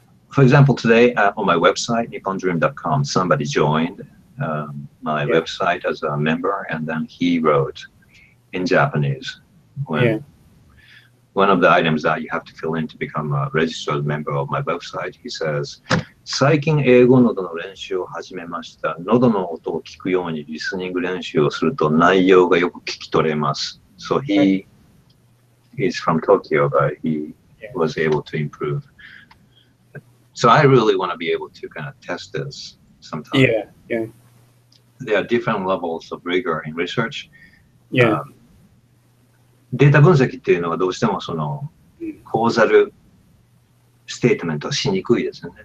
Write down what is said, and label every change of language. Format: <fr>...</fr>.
<en>For example, today on my website, nippondream.com, somebody joined. My yeah. website as a member, and then he wrote in Japanese. When yeah. one of the items that you have to fill in to become a registered member of my website, he says,</en> <ja>最近英語喉の練習を始めました。喉の音を聞くようにリスニング練習をすると内容がよく聞き取れます。</ja> <en>So he is from Tokyo, but he yeah. was able to improve. So I really want to be able to kind of test this sometime. Yeah, yeah. There are different levels of rigor in research. Yeah.</en> <ja>データ分析っていうのはどうしてもそのコーザルステートメントはしにくいですね。</ja>